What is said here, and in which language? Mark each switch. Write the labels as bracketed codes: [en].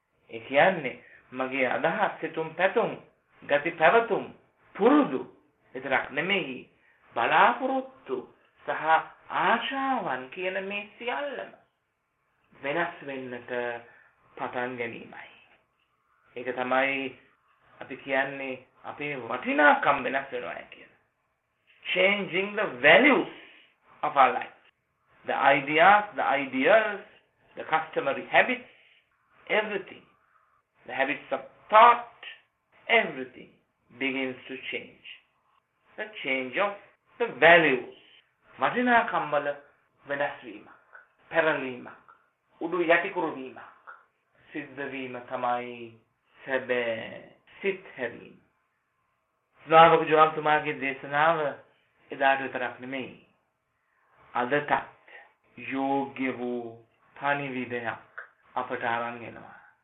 [si] ඒ කියන්නේ මගේ අදහස් සිතුම් පැතුම් ගති පැවතුම් පුරුදු විතරක් නෙමෙයි බලාපොරොත්තු සහ ආශාවන් කියන මේ සියල්ලම වෙනස් වෙන්නට පටන් ගැනීමයි. ඒක තමයි අපි කියන්නේ අපේ වටිනාකම් වෙනස් වෙනවා කියන. [en] Changing the values of our lives. The ideas, the ideals, the customary habits, everything. The habits of thought, everything begins to change. The change of the values. [si] වටිනාකම් වල වෙනස් වීමක්, පෙරලීමක්, උඩු යටිකුරු වීමක් සිද්ධ වීම තමයි සැබෑ සිත් හැරීම. ස්නාවක ජෝම්තුමාගේ දේශනාව එදාට විතරක් නෙමෙයි අදටත් යෝග්‍ය වූ පණිවිඩයක් අපට අරන් එනවා.